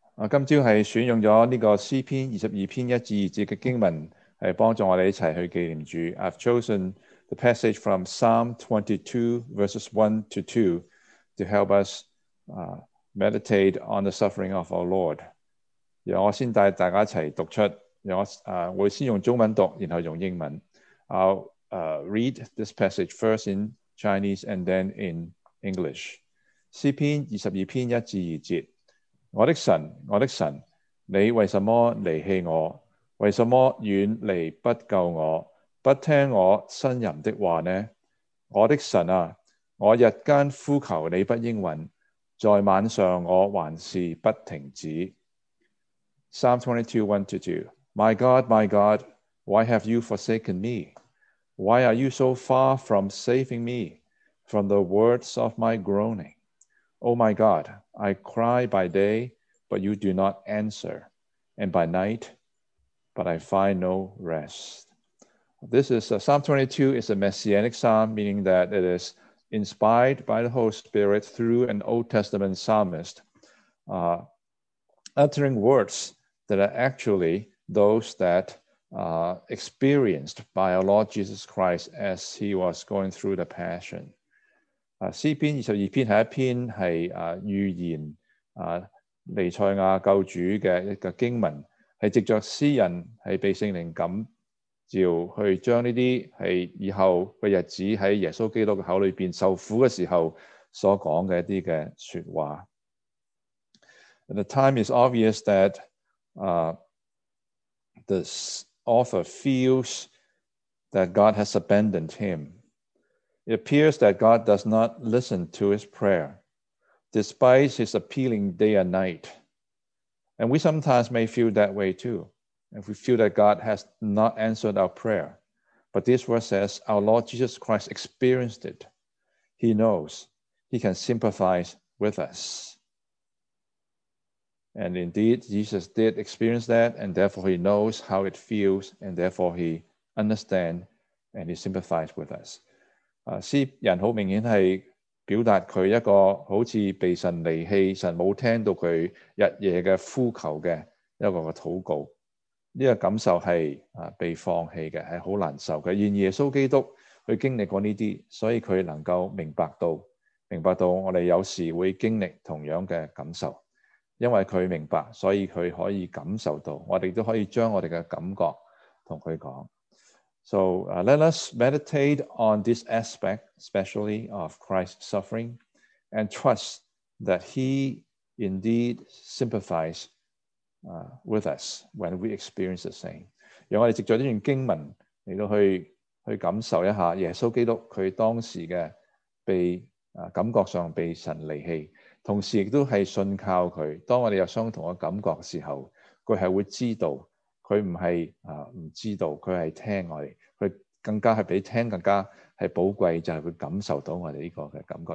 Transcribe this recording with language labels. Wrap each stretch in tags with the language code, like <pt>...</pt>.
<zh>今朝是选用了这个诗篇22篇一至二节的经文，是帮助我们一起去纪念主。</zh> <en>I've chosen the passage from Psalm 22 verses 1 to 2 to help us meditate on the suffering of our Lord.</en> <zh>让我先带大家一起读出，让我会先用中文读，然后用英文。</zh> <en>I'll read this passage first in Chinese and then in English.</en> <zh>诗篇22篇1至2节。我的神，我的神，你为什么离弃我？为什么远离不救我，不听我呻吟的话呢？我的神啊，我日间呼求你不应允，在晚上我还是不停止。</zh> <en>Psalm 22, 1 to 2. My God, my God, why have you forsaken me? Why are you so far from saving me from the words of my groaning? Oh my God, I cry by day, but you do not answer, and by night, but I find no rest. This is Psalm 22 is a messianic psalm, meaning that it is inspired by the Holy Spirit through an Old Testament psalmist, uttering words that are actually those that experienced by our Lord Jesus Christ as he was going through the Passion.</en> <zh>詩篇二十二篇是一篇是預言彌賽亞救主的一個經文，是藉著詩人是被聖靈感召去將這些是以後的日子在耶穌基督的口裡面受苦的時候所講的一些的說話。</zh> <en>The time is obvious that the author feels that God has abandoned him. It appears that God does not listen to his prayer, despite his appealing day and night. And we sometimes may feel that way too, if we feel that God has not answered our prayer. But this verse says our Lord Jesus Christ experienced it. He knows. He can sympathize with us. And indeed, Jesus did experience that, and therefore he knows how it feels, and therefore he understands and he sympathizes with us.</en> <zh>詩人很明顯是表達他一個好像被神離棄，神沒有聽到他日夜的呼求的一個的禱告，這個感受是被放棄的，是很難受的。然而耶穌基督他經歷過這些，所以他能夠明白到我們有時會經歷同樣的感受，因為他明白，所以他可以感受到，我們都可以將我們的感覺跟他說。</zh> <en>So let us meditate on this aspect, especially of Christ's suffering, and trust that he indeed sympathizes with us when we experience the same.</en> <zh>让我们藉着这段经文来到 去感受一下耶稣基督他当时的感觉上被神离弃，同时也是信靠他。当我们有相同的感觉的时候，他是会知道，他不是不知道，他是听我们，他更加是比听更加是宝贵，就是会感受到我们这个感觉。</zh>